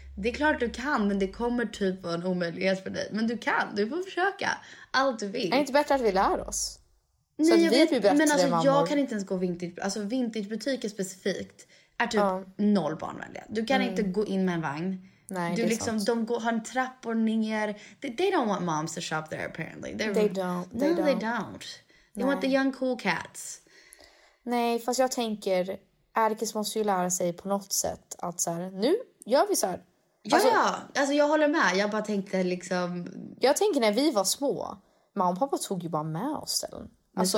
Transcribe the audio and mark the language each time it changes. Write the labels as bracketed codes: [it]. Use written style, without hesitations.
[sv] Det är klart du kan, men det kommer typ vara en omöjlighet för dig. Men du kan, du får försöka. Allt du vill. Är det inte bättre att vi lär oss? Nej, jag vet, men alltså, jag kan inte ens gå vintage. Alltså vintagebutiker specifikt är typ noll barnvänliga. Du kan inte gå in med en vagn. Nej, du liksom, de går, har en trappor ner. [en] They don't want moms to shop there apparently. They don't. They want the young cool cats. [sv] Nej, fast jag tänker, Erkis måste ju lära sig på något sätt att så här, nu gör vi så här. Alltså jag håller med. Jag bara tänkte liksom... Jag tänker när vi var små. Mamma och pappa tog ju bara med oss ställen. Alltså...